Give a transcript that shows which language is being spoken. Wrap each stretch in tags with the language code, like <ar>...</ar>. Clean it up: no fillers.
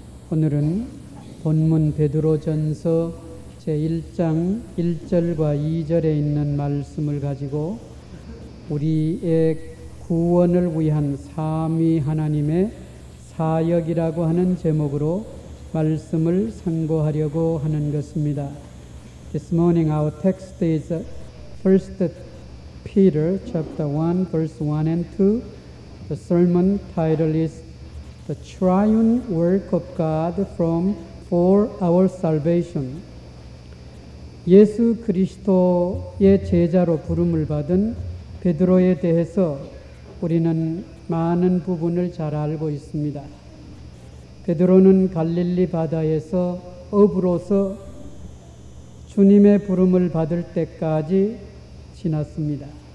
<ko>오늘은 본문 베드로전서 제1장 1절과 2절에 있는 말씀을 가지고 우리의 구원을 위한 삼위 하나님의 사역이라고 하는 제목으로 말씀을 상고하려고 하는 것입니다.</ko> <en>This morning our text is 1 Peter chapter 1 verse 1 and 2. The sermon title is The Triune Work of God from for our salvation.</en> <ko>예수 그리스도의 제자로 부름을 받은 베드로에 대해서 우리는 많은 부분을 잘 알고 있습니다. 베드로는 갈릴리 바다에서 어부로서 주님의 부름을 받을 때까지 지났습니다.</ko>